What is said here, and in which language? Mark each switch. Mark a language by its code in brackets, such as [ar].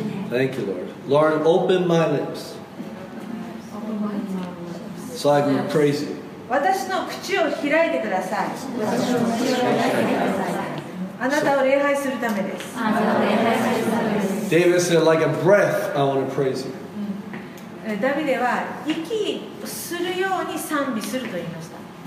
[en] Thank you, Lord. Lord, open my lips. Open my lips. So I can praise you. [ja] 私の口を開いてください。私の口を開いてください。あなたを礼拝するためです。あなたを礼拝するためです。 [en] David said, like a breath, I want to praise you. [ja] ダビデは息するように賛美すると言いました。